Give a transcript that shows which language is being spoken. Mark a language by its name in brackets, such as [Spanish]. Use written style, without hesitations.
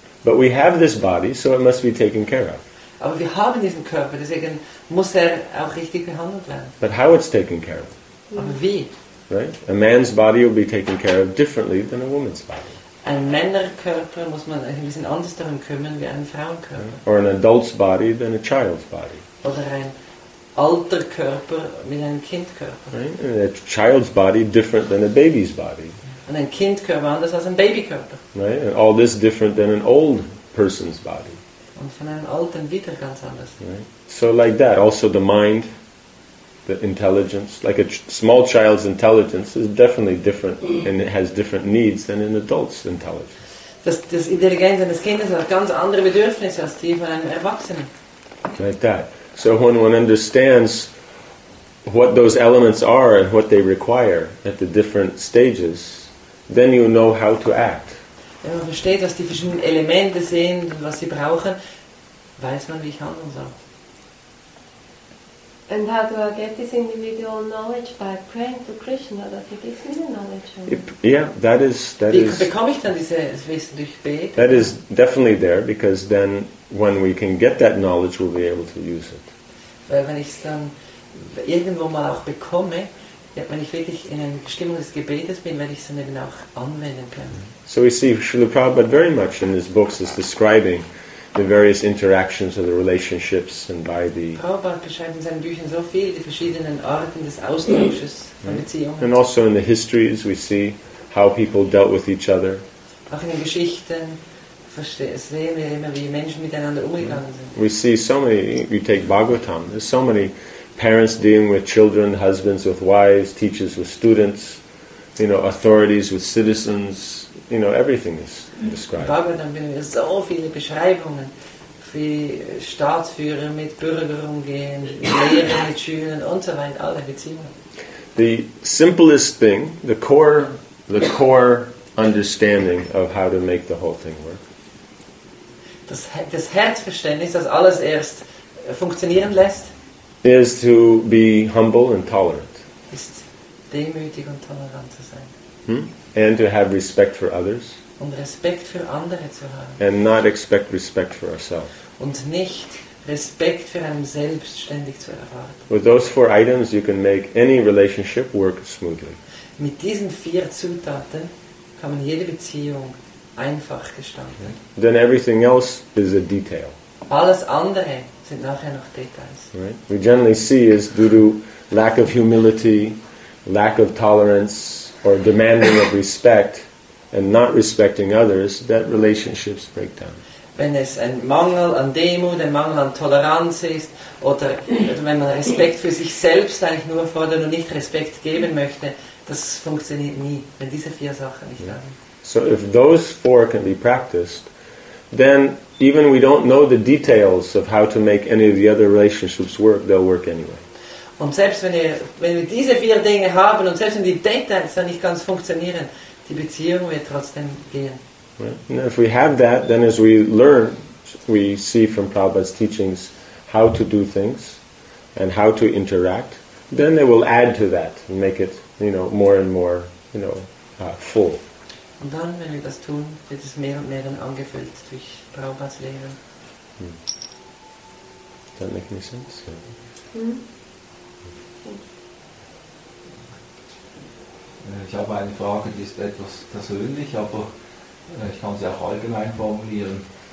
[English] But we have this body, so it must be taken care of. [German] Aber wir haben diesen Körper, deswegen muss er auch richtig behandelt werden. [English] But how it's taken care of? [German] Aber wie? [English] Right? A man's body will be taken care of differently than a woman's body. [German] Ein Männerkörper muss man ein bisschen anders darum kümmern wie ein Frauenkörper. [English] Right? Or an adult's body than a child's body. [German] Oder ein alter Körper mit einem Kindkörper. [English] Right? A child's body different than a baby's body. [German] Und ein Kindkörper anders als ein Babykörper. [English] Right? And all this different than an old person's body. [German] Und von einem alten wieder ganz anders. [English] Right? So like that. Also the mind, the intelligence, like a small child's intelligence is definitely different and it has different needs than an adult's intelligence. [German] Das Intelligenz eines Kindes hat ganz andere Bedürfnisse als die von einem Erwachsenen. [English] Like that. So when one understands what those elements are and what they require at the different stages, then you know how to act. [German] Wenn man versteht, was die verschiedenen Elemente sind und was sie brauchen, weiß man, wie ich handeln soll. [English] And how do I get this individual knowledge? By praying to Krishna, that he gives me the knowledge. Yeah, that is... That [German] wie [English] is, [German] bekomme ich dann dieses Wissen durch Beten? [English] That is definitely there, because then when we can get that knowledge, we'll be able to use it. [German] Weil wenn ich es dann irgendwo mal auch bekomme, ja, wenn ich wirklich in einer Stimmung des Gebetes bin, werde ich es dann eben auch anwenden können. [English] So we see Srila Prabhupada very much in his books is describing the various interactions of the relationships and by the... [German] Prabhupada beschreibt in seinen Büchern so viel die verschiedenen Arten des Austausches von Beziehungen. [English] And also in the histories we see how people dealt with each other. [German] Auch in den Geschichten sehen wir immer, wie Menschen miteinander umgegangen sind. [English] We see so many, you take Bhagavatam, there's so many parents dealing with children, husbands with wives, teachers with students, you know, authorities with citizens, you know, everything is described. [German] Bhagavatam finden wir so viele Beschreibungen, wie Staatsführer mit Bürgern umgehen, Lehrer mit Schülern und so weiter, alle Beziehungen. [English] The simplest thing, the core understanding of how to make the whole thing work. [German] Das Herzverständnis, das alles erst funktionieren lässt, [English] is to be humble and tolerant. [German] Ist demütig und tolerant zu sein. [English] And to have respect for others. [German] Und Respekt für andere zu haben. [English] And not expect respect for ourselves. [German] Und nicht Respekt für einem selbst ständig zu erwarten. [English] With those four items, you can make any relationship work smoothly. [German] Mit diesen vier Zutaten kann man jede Beziehung einfach gestalten. [English] Then everything else is a detail. [German] Alles andere sind nachher noch Details. [English] Right? We generally see is due to lack of humility, lack of tolerance, or demanding of respect, and not respecting others, that relationships break down. [German] Wenn es ein Mangel an Demut, ein Mangel an Toleranz ist, oder wenn man Respekt für sich selbst eigentlich nur fordert und nicht Respekt geben möchte, das funktioniert nie, wenn diese vier Sachen nicht haben. [English] So if those four can be practiced, then even we don't know the details of how to make any of the other relationships work, they'll work anyway. [German] Und selbst wenn wir diese vier Dinge haben und selbst wenn die Details dann nicht ganz funktionieren, die Beziehung wird trotzdem gehen. [English] Right. If we have that, then as we learn, we see from Prabhupada's teachings how to do things and how to interact, then they will add to that and make it, you know, more and more, you know, full. [German] Und dann, wenn wir das tun, wird es mehr und mehr dann angefüllt durch Prabhupadas Lehren. [English] Does that make any sense? Yeah. [German] Ich habe eine Frage, die ist etwas persönlich, aber ich kann sie auch allgemein formulieren.